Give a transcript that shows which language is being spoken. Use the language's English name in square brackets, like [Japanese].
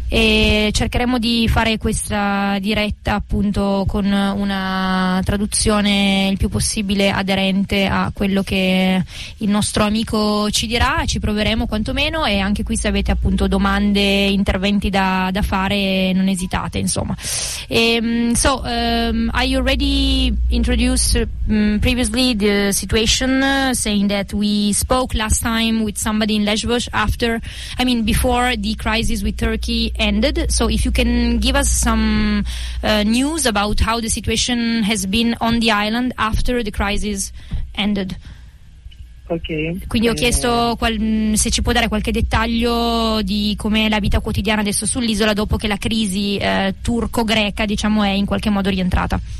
[Italian] E cercheremo di fare questa diretta appunto con una traduzione il più possibile aderente a quello che il nostro amico ci dirà, ci proveremo quantomeno, e anche qui se avete appunto domande, interventi da fare, non esitate, insomma. [English] I already introduced previously the situation, saying that we spoke last time with somebody in Lesbos after, I mean, before the crisis with Turkey ended. So if you can give us some news about how the situation has been on the island after the crisis ended. [Italian] Quindi ho chiesto se ci può dare qualche dettaglio di com'è la vita quotidiana adesso sull'isola dopo che la crisi turco-greca, diciamo, è in qualche modo rientrata.